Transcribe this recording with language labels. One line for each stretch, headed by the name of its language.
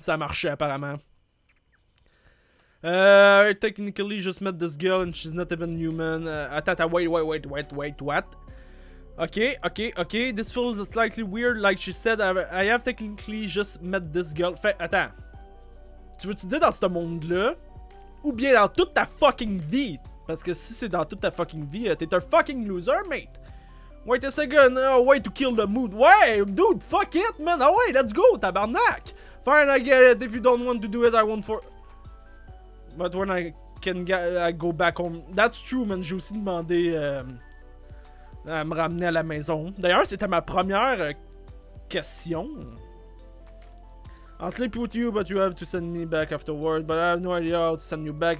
French: Ça marchait apparemment.
English: I technically just met this girl and she's not even human. Wait, what? Okay. This feels slightly weird. Like she said, I have technically just met this girl.
French: Attends. Tu veux-tu dire dans ce monde-là, ou bien dans toute ta fucking vie? Parce que si c'est dans toute ta fucking vie, t'es un fucking loser, mate.
English: Wait a second, way to kill the mood. Ouais, dude, fuck it, man. Ah ouais, let's go, tabarnak. Fine, I get it. If you don't want to do it, I won't for... But when I can get, I go back home... That's true, man.
French: J'ai aussi demandé à me ramener à la maison. D'ailleurs, c'était ma première question...
English: I'll sleep with you, but you have to send me back afterwards. But I have no idea how to send you back.